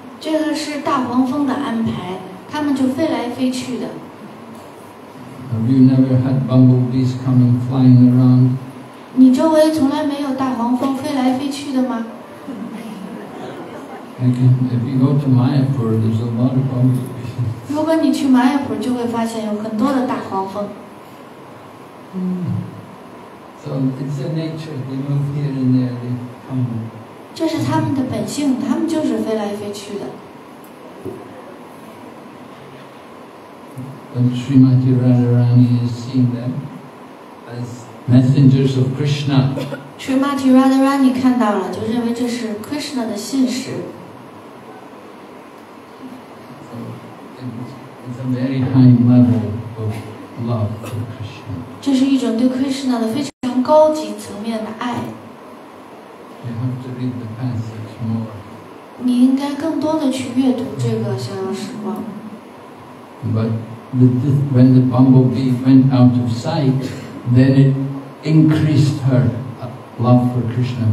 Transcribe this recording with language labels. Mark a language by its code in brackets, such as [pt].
[zh] 这个是大黄蜂的安排，它们就飞来飞去的。 [en] Have you never had bumblebees coming flying around? [zh] 你周围从来没有大黄蜂飞来飞去的吗 [en] ？If you go to Mayapur, there's a lot of bumblebees. [zh] 如果你去 Mayapur， 就会发现有很多的大黄蜂。 [en] So it's the nature. They move here and there. They come. [zh] 这是他们的本性，他们就是飞来飞去的。 [en] When Srimati Radharani is seeing them as messengers of Krishna. [zh] Srimati Radharani 看到了，就认为这是 Krishna 的信使。 [en] So it's a very high level of love for Krishna. [zh] 这是一种对 Krishna 的非常。高级层面的爱。 [en] You have to read the passage more. [zh] 你应该更多的去阅读这个逍遥时光。 [en] But when the bumblebee went out of sight, then it increased her love for Krishna.